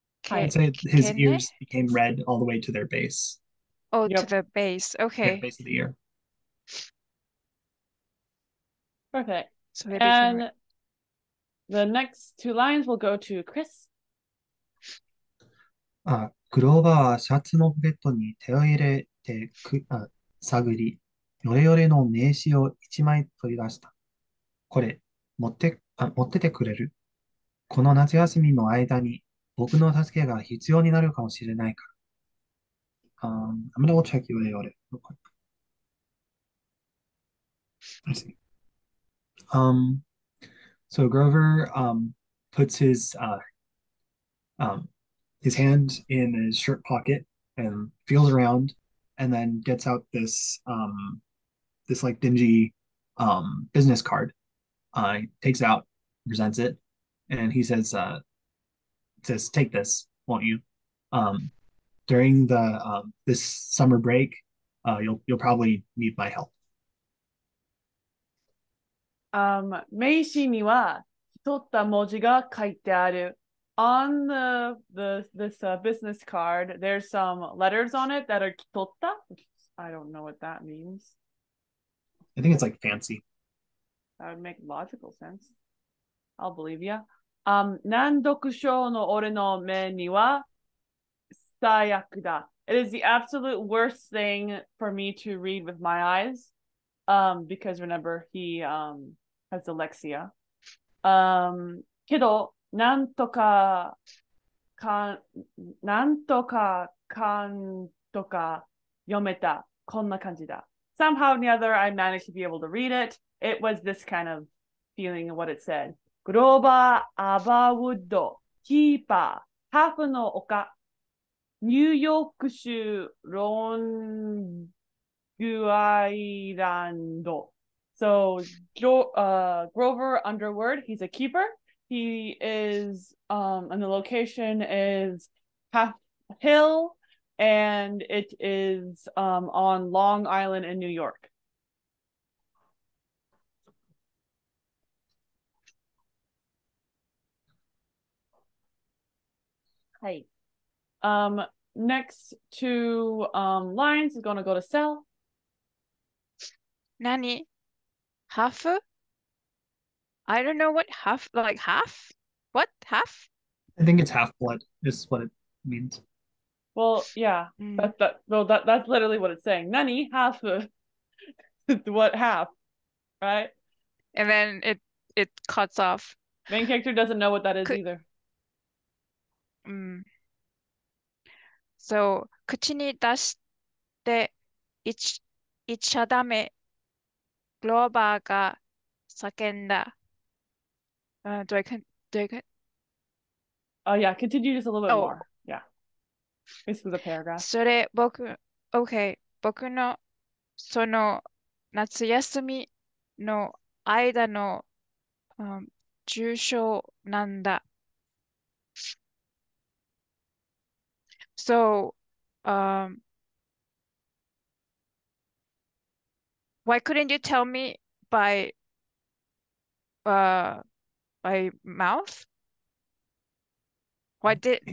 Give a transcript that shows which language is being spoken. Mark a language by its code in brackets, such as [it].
[en] I'd say his Kene? ears became red all the way to their base. Oh, to Yep. the base. Yeah, Okay. base of the ear. Perfect. So they became red. And the next two lines will go to Chris. [ja] Glover はシャツのポケットに手を入れてく、あ、探り、ヨレヨレの名刺を一枚取り出した。これ、持って、あ、持っててくれる？この夏休みの間に僕の助けが必要になるかもしれないか。 [en] I'm gonna check ヨレヨレ real quick. Let's see. So Grover puts his hand in his shirt pocket and feels around and then gets out this this like dingy business card. Takes it out, presents it, and he says says, take this, won't you? During the this summer break, you'll probably need my help. [ja] 名刺には取った文字が書いてある。 [en] On this business card, there's some letters on it that are kitotta. I don't know what that means. I think it's like fancy. That would make logical sense. I'll believe ya. [ja] 難読症の俺の目には最悪だ。 [en] It is the absolute worst thing for me to read with my eyes. Because remember, he has dyslexia. [ja] けど、なんとかかんとか読めた。こんな感じだ。 [en] Somehow or the other, I managed to be able to read it. It was this kind of feeling of what it said. [ja] グローバー・アバウッド・キーパー・ハフの丘・ニューヨーク州・ロン・グアイランド。 [en] So, Grover Underwood, he's a keeper. He is, and the location is Half Hill, and it is on Long Island in New York. Hi. Next two lines is going to go to Sel. Nani? Half? I don't know what half, like half? What? Half? I think it's half blood. This is what it means. Well, yeah. Mm. That's literally what it's saying. Nani? Half? What half? Right? And then it cuts off. Main character doesn't know what that is either. Mm. [ja] So, 口に出して言っちゃダメ。グローバーが叫んだ。 [en] Do I? Yeah, continue just a little bit more. Yeah. This was a paragraph. [ja] それ僕、okay, 僕のその夏休みの間の重症なんだ。 [en] So, why couldn't you tell me by mouth? Why did